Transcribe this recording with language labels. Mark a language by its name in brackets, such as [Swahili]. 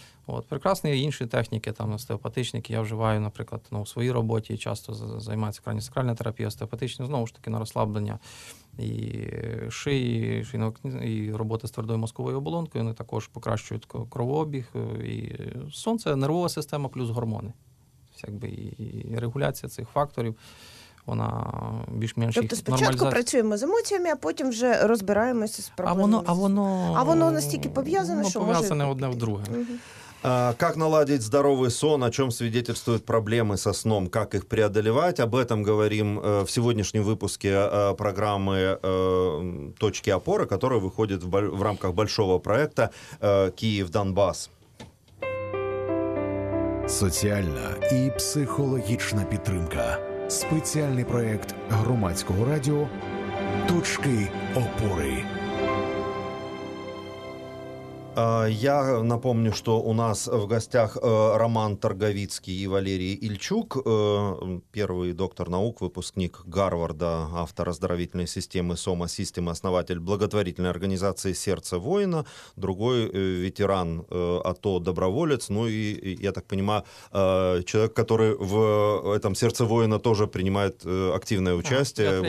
[Ukrainian] От, прекрасні інші техніки, там, остеопатичні, які я вживаю, наприклад, ну, у своїй роботі, часто займається краніосакральна терапія, остеопатична, знову ж таки, на розслаблення і шиї, і роботи з твердою мозковою оболонкою, вони також покращують кровообіг, і сонце, нервова система плюс гормони, якби, і регуляція цих факторів. Вона більш-менш тобто спочатку працюємо з емоціями, а потім вже розбираємося з проблемами. А воно настільки пов'язане, що може... Пов'язане одне в друге. Угу. [Russian] Как наладить здоровый сон, о чем свидетельствуют проблемы со сном, как их преодолевать, об этом говорим в сегодняшнем выпуске программы «Точки опоры», которая выходит в рамках большого проекта «Киев-Донбасс». Социально и психологично підтримка. Специальный проект громадського радио «Точки опоры». Я напомню, что у нас в гостях Роман Торговицкий и Валерий Ильчук, первый доктор наук, выпускник Гарварда, автор оздоровительной системы Soma System, основатель благотворительной организации «Сердце воина», другой ветеран АТО, доброволец, ну и, я так понимаю, человек, который в этом «Сердце воина» тоже принимает активное участие,